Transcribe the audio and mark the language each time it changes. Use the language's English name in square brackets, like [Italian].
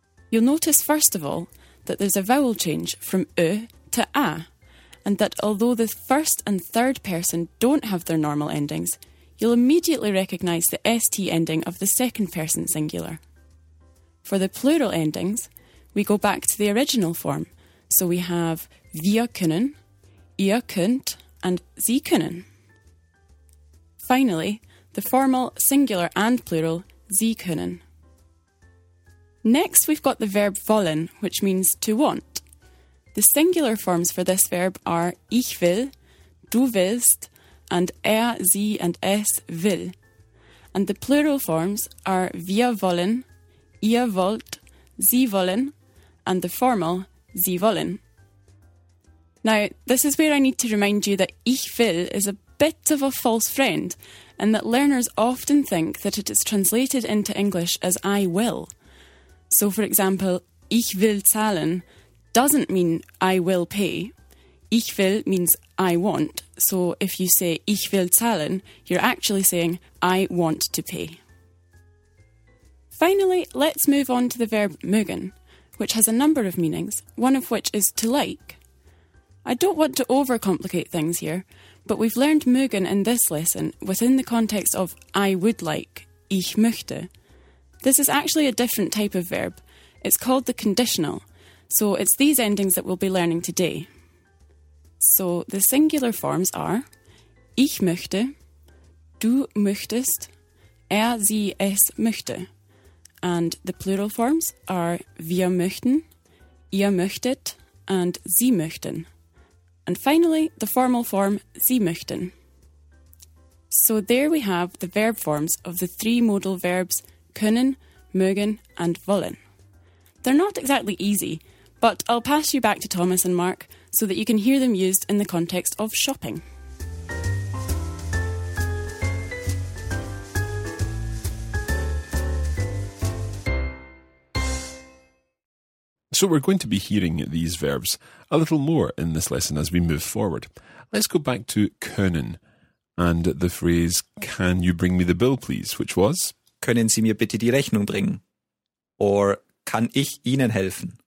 [English] You'll notice, first of all, that there's a vowel change from ö to a, and that although the first and third person don't have their normal endings, you'll immediately recognise the st ending of the second person singular. For the plural endings, we go back to the original form, so we have [German] wir können, ihr könnt, and sie können. [English] Finally, the formal singular and plural, [German] sie können. [English] Next, we've got the verb [German] wollen, [English] which means to want. The singular forms for this verb are [German] ich will, du willst, [English] and er, sie, and [German] es will. [English] And the plural forms are [German] wir wollen, ihr wollt, sie wollen, [English] and the formal, [German] sie wollen. [English] Now, this is where I need to remind you that [German] ich will [English] is a bit of a false friend, and that learners often think that it is translated into English as I will. So, for example, [German] ich will zahlen [English] doesn't mean I will pay. [German] Ich will [English] means I want. So if you say [German] ich will zahlen, [English] you're actually saying I want to pay. Finally, let's move on to the verb mögen, which has a number of meanings, one of which is to like. I don't want to overcomplicate things here, but we've learned mögen in this lesson within the context of I would like, [German] ich möchte. [English] This is actually a different type of verb. It's called the conditional, so it's these endings that we'll be learning today. So the singular forms are [German] ich möchte, du möchtest, [English] er, sie, [German] es möchte. [English] And the plural forms are [German] wir möchten, ihr möchtet, and sie möchten. [English] And finally, the formal form [German] sie möchten. [English] So there we have the verb forms of the three modal verbs können, mögen, and wollen. They're not exactly easy, but I'll pass you back to Thomas and Mark so that you can hear them used in the context of shopping. So we're going to be hearing these verbs a little more in this lesson as we move forward. Let's go back to können and the phrase, can you bring me the bill, please, which was? [German] Können Sie mir bitte die Rechnung bringen? Or kann ich Ihnen helfen?